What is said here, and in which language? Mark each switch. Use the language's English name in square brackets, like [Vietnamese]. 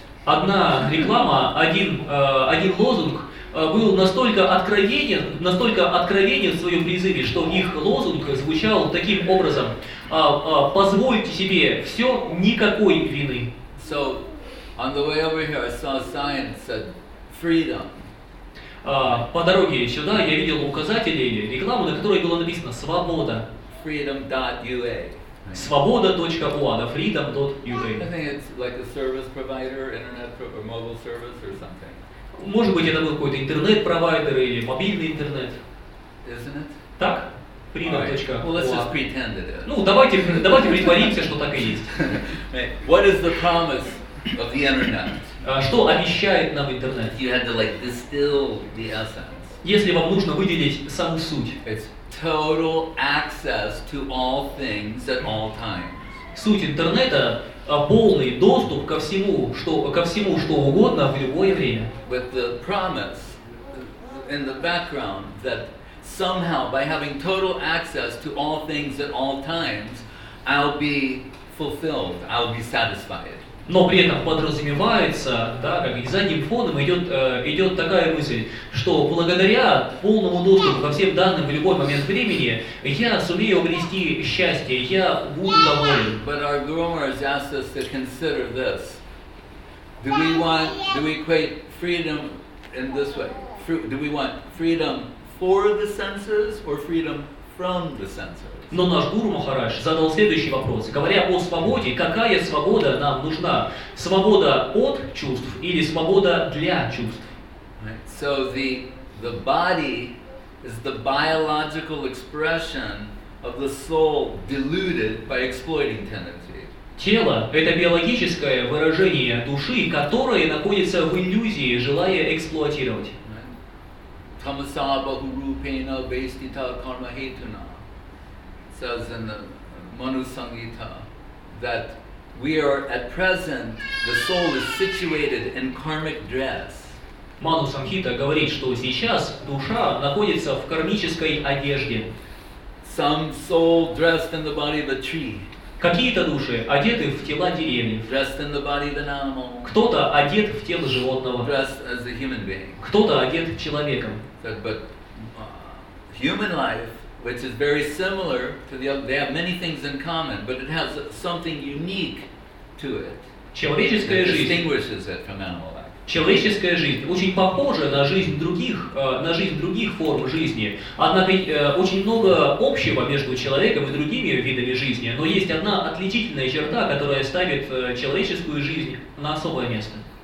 [Russian] Одна реклама, один лозунг был настолько откровенен в своем призыве, что их лозунг звучал таким образом: позвольте себе все, никакой вины. [English] So, on the way over here, I saw a sign that said freedom. [Russian] По дороге сюда я видел указатели или рекламу, на которой было написано «Свобода». [English] Freedom.ua. [Russian] Свобода.ua, да, freedom.ua. [English] I think it's like a service provider, internet or mobile service or something. [Russian] Может быть, это был какой-то интернет-провайдер или мобильный интернет. [English] Isn't it? [Russian] Так? Freedom.ua. [English] Well, let's just pretend it is. [Russian] Ну, давайте притворимся, что так и есть. [English] What is the promise of the internet? [Russian] Что обещает нам интернет? [English] You had to, like, distill the essence. [Russian] Если вам нужно выделить саму суть. [English] It's total access to all things at all times. [Russian] Суть интернета – полный доступ ко всему, что угодно в любое время. [English] With the promise in the background that somehow by having total access to all things at all times, I'll be fulfilled, I'll be satisfied. [Russian] Но при этом подразумевается, да, как и задним фоном идет такая мысль, что благодаря полному доступу ко всем данным в любой момент времени я сумею обрести счастье, я буду доволен. [English] But our groomers asked us to consider this. Do we equate freedom in this way? Do we want freedom for the senses or freedom from the senses. [Russian] Но наш гуру Махарадж задал следующий вопрос. Говоря о свободе, какая свобода нам нужна? Свобода от чувств или свобода для чувств? [English] Right. So the body is the biological expression of the soul deluded by exploiting tendency. [Russian] Тело – это биологическое выражение души, которое находится в иллюзии, желая эксплуатировать. [Sanskrit] Тамасаба хурупена бейстита кармахетуна [English] says in the Manu Sangita that we are at present, the soul is situated in karmic dress. [Russian] Ману Санхита говорит, что сейчас душа находится в кармической одежде. [English] Some soul dressed in the body of a tree. [Russian] Какие-то души одеты в тела деревьев. [English] Dressed in the body of an animal. [Russian] Кто-то одет в тело животного. [English] Dressed as a human being. [Russian] Кто-то одет человеком. [English] But human life, which is very similar to the other, they have many things in common, but it has something unique to it. [Russian] Человеческая жизнь. [English] Distinguishes it from animal life. [Russian] Человеческая жизнь очень похожа на жизнь других форм жизни. Однако очень много общего между человеком и другими видами жизни, но есть одна отличительная черта, которая ставит человеческую жизнь на особое место.